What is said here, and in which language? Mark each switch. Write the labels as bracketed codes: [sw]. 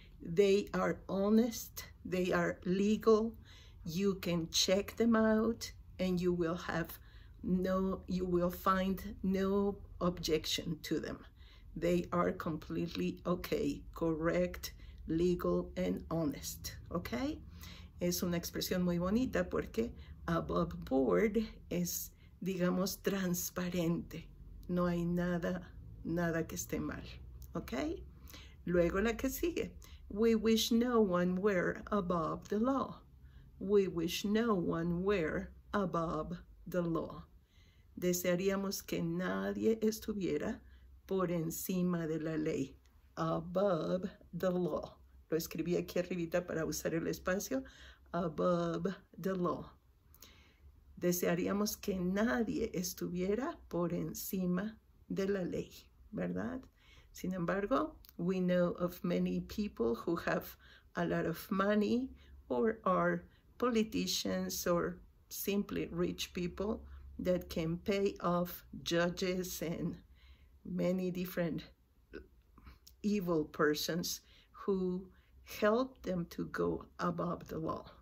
[en] They are honest. They are legal. You can check them out and you will have no, you will find no objection to them. They are completely okay, correct, legal, and honest, okay? [es] Es una expresión muy bonita porque [en] above board [es] es, digamos, transparente. No hay nada que esté mal, okay? Luego la que sigue. [en] We wish no one were above the law. We wish no one were above the law. [es] Desearíamos que nadie estuviera por encima de la ley. [en] Above the law. [es] Lo escribí aquí arribita para usar el espacio. [en] Above the law. [es] Desearíamos que nadie estuviera por encima de la ley, ¿verdad? Sin embargo, [en] we know of many people who have a lot of money or are politicians or simply rich people that can pay off judges and many different evil persons who help them to go above the law.